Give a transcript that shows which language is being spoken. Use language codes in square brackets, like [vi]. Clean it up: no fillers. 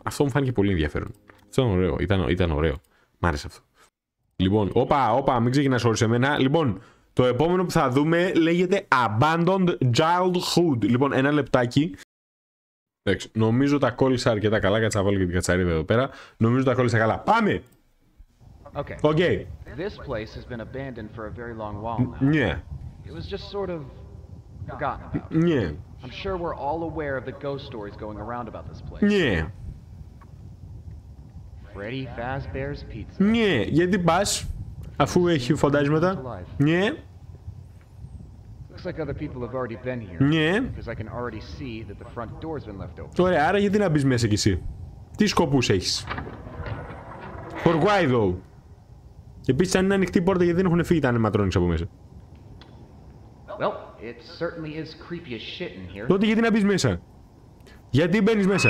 [el] Αυτό μου φάνηκε πολύ ενδιαφέρον. Αυτό ήταν ωραίο. Ήταν ωραίο. Μ' άρεσε αυτό. Λοιπόν, όπα, μην ξεκινάς όρισε εμένα. Λοιπόν, το επόμενο που θα δούμε λέγεται Abandoned Childhood. Λοιπόν, ένα λεπτάκι. Εντάξει, νομίζω τα κόλλησα αρκετά καλά. Κάτσα βάλω και την κατσαρίδα εδώ πέρα. Νομίζω τα κόλλησα καλά. Πάμε! Okay. [en] This place has been abandoned for a very long while now. Yeah. It was just sort of forgotten about. Yeah. I'm sure we're all aware of the ghost stories going around about this place. Yeah. Freddy Fazbear's Pizza. Yeah. [el] Γιατί πας, αφού έχει φαντάσματα. [en] Yeah. Looks like other people have already been here. Yeah. Because I can already see that the front door's been left open. [el] Ωραία, άρα γιατί να μπεις μέσα κι εσύ. Τι σκοπούς έχεις. [en] For why though? [el] Επίσης, αν είναι ανοιχτή η πόρτα, γιατί δεν έχουν φύγει τα animatronics από μέσα. [en] Well, it certainly is creepy as shit in here. [el] Τότε γιατί να μπεις μέσα? Γιατί μπαίνεις μέσα?